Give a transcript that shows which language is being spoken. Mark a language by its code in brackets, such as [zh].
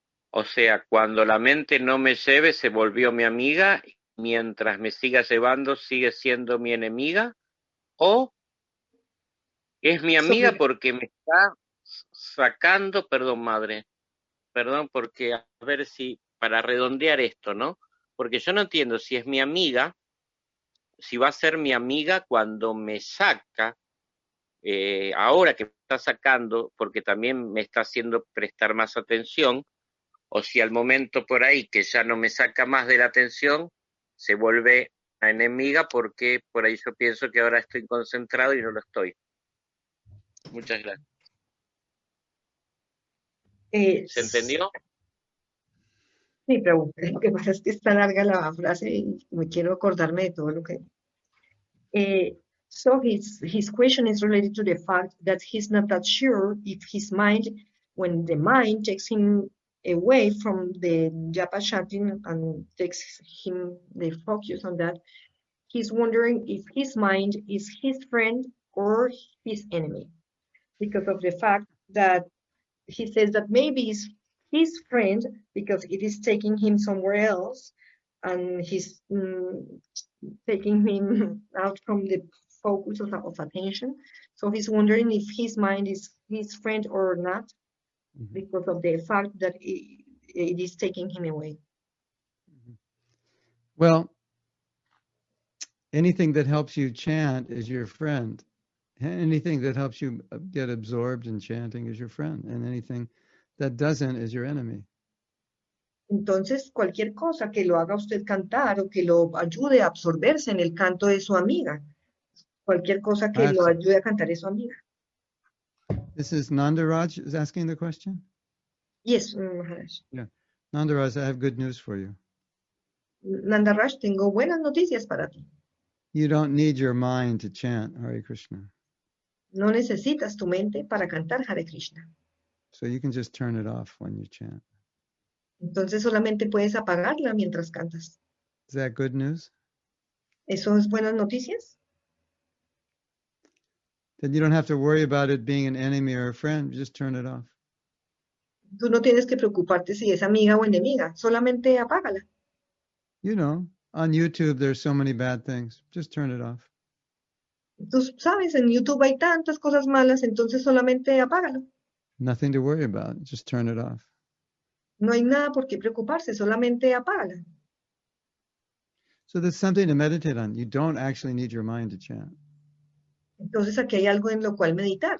[es] O sea, cuando la mente no me lleve, se volvió mi amiga, mientras me siga llevando, sigue siendo mi enemiga, o es mi amiga porque me está sacando, perdón madre, perdón, porque a ver si... Para redondear esto, ¿no? Porque yo no entiendo si es mi amiga, si va a ser mi amiga cuando me saca, ahora que me está sacando, porque también me está haciendo prestar más atención, o si al momento por ahí que ya no me saca más de la atención, se vuelve una enemiga porque por ahí yo pienso que ahora estoy concentrado y no lo estoy. Muchas gracias. ¿Se entendió? Sí, pero lo que pasa es que está larga la frase y me quiero acordarme de todo lo que... [en] So his question is related to the fact that he's not that sure if his mind, when the mind takes him away from the japa chanting and takes him the focus on that, he's wondering if his mind is his friend or his enemy because of the fact that he says that maybe he's his friend, because it is taking him somewhere else, and he's taking him out from the focus of attention. So he's wondering if his mind is his friend or not, mm-hmm. because of the fact that it is taking him away. Mm-hmm. Well, anything that helps you chant is your friend. Anything that helps you get absorbed in chanting is your friend, and anything that doesn't is your enemy. [es] Entonces, cualquier cosa que lo haga usted cantar o que lo ayude a absorberse en el canto de su amiga. Cualquier cosa que lo ayude a cantar es su amiga. [en] This is Nandaraj is asking the question? Yes, Maharaj. Yeah. Nandaraj, I have good news for you. [es] Nandaraj, tengo buenas noticias para ti. [en] You don't need your mind to chant Hare Krishna. [es] No necesitas tu mente para cantar Hare Krishna. [en] So you can just turn it off when you chant. [es] Entonces solamente puedes apagarla mientras cantas. [en] Is that good news? [es] ¿Eso es buenas noticias? [en] Then you don't have to worry about it being an enemy or a friend. You just turn it off. [es] Tú no tienes que preocuparte si es amiga o enemiga. Solamente apágala. [en] You know, on YouTube there's so many bad things. Just turn it off. [es] Tú sabes, en YouTube hay tantas cosas malas, entonces solamente apágalo. [en] Nothing to worry about. Just turn it off. [es] No hay nada por qué preocuparse. Solamente apágala. [en] So there's something to meditate on. You don't actually need your mind to chant. [es] Entonces aquí hay algo en lo cual meditar.